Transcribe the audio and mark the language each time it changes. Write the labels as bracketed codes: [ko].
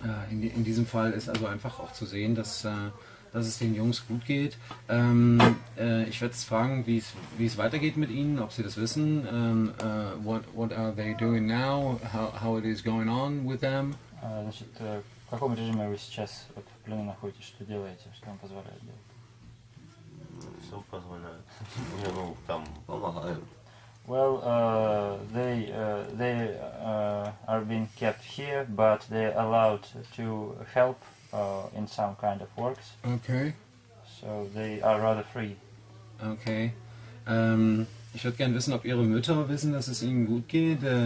[de] In diesem Fall ist also einfach auch zu sehen, dass es den Jungs gut geht. Ich werde jetzt fragen, wie es weitergeht mit ihnen, ob sie das wissen. [en] What are they doing now? How it is going on with them? [ru] Значит, в каком режиме вы сейчас вот в плену находитесь? Что делаете? Что вам позволяют делать? Все позволяют. Ну, там помогают. [en] Well, they are being kept here, but they are allowed to help in some kind of works. Okay. So they are rather free. Okay. [de] Ich würde gerne wissen, ob Ihre Mütter wissen, dass es Ihnen gut geht.